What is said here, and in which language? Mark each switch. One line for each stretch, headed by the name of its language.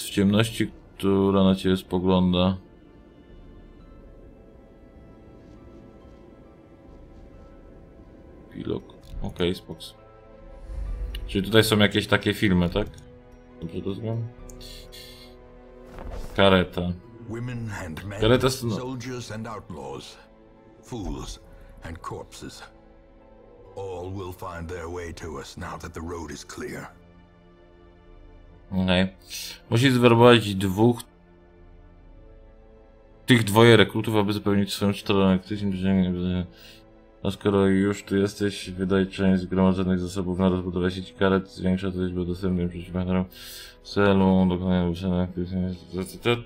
Polish: W ciemności, która na ciebie spogląda. Epilog. Okej, spoks. Czyli tutaj są jakieś takie filmy, tak? Dobrze to zrozumiałem? Kareta.
English: Women and men, soldiers and outlaws, fools and corpses. All will find their way to us now that the road is clear.
Polish: Okej. Musisz zwerbować dwóch... Tych dwoje rekrutów, aby zapewnić swoją czteroaktywność. A skoro już tu jesteś, wydaj część zgromadzonych zasobów na rozbudowę sieci karet, zwiększa to liczbę dostępnych przeciwbohaterom w celu dokonania wyszenia aktywizacji.